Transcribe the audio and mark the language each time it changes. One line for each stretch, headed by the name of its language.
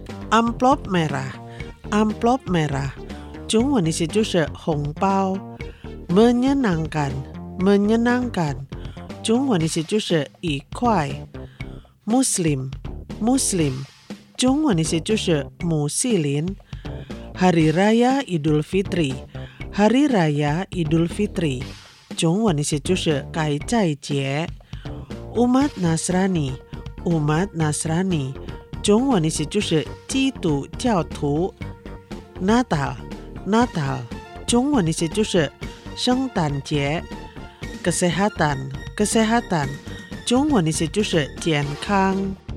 Indonesian: Amplop merah, amplop merah,
Chinese: 中文意思就是红包。
Indonesian: Menyenangkan, menyenangkan,
Chinese: 中文意思就是愉快。
Indonesian: Muslim,Muslim,
Chinese: 中文意思就是穆斯林。
Indonesian: Hari Raya Idul Fitri,
Chinese: Hari Raya Idul Fitri, 中文意思就是该斋节。
Indonesian: Umat Nasrani, Umat Nasrani,
Chinese: 中文意思就是基督教徒。
Indonesian: Natal, Natal,
Chinese: 中文意思就是圣诞节。
Indonesian: Kesehatan, Kesehatan,
Chinese: 中文意思就是健康。